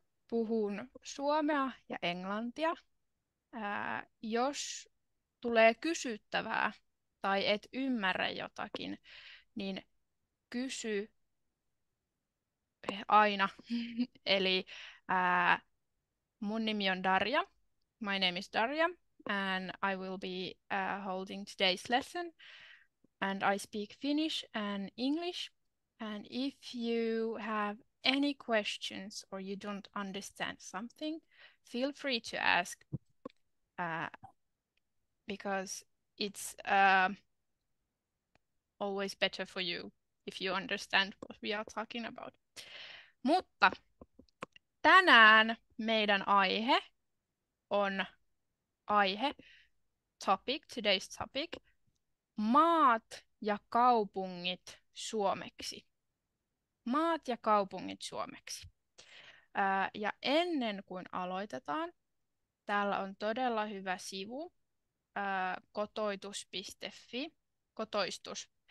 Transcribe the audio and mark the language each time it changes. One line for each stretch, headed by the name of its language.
Finnish: Puhun suomea ja englantia. Jos tulee kysyttävää tai et ymmärrä jotakin, niin kysy aina. Eli mun nimi on Darja.
English: My name is Darja, and I will be holding today's lesson. And I speak Finnish and English. And if you have any questions or you don't understand something, feel free to ask. Because it's always better for you if you understand what we are talking about.
Finnish: Mutta tänään meidän aihe on aihe,
English: topic, today's topic,
Finnish: maat ja kaupungit suomeksi. Maat ja kaupungit suomeksi. Ja ennen kuin aloitetaan, täällä on todella hyvä sivu, kotoitus.fi, kotoistus.